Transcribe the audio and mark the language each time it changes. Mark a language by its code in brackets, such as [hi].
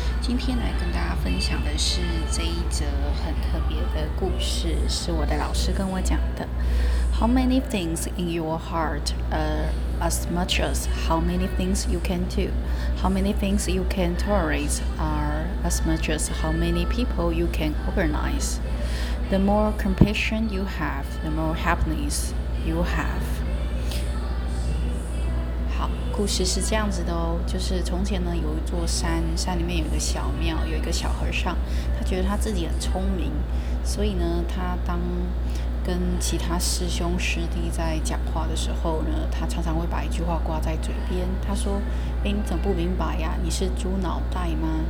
[zh] 今天来跟大家分享的是这一则很特别的故事，是我的老师跟我讲的。 [en] How many things in your heart are as much as how many things you can do? How many things you can tolerate are as much as how many people you can organize? The more compassion you have, the more happiness you have. [zh] 故事是这样子的哦，就是从前呢有一座山，山里面有一个小庙，有一个小和尚，他觉得他自己很聪明，所以呢他当跟其他师兄师弟在讲话的时候呢，他常常会把一句话挂在嘴边，他说诶，你怎么不明白呀，你是猪脑袋吗？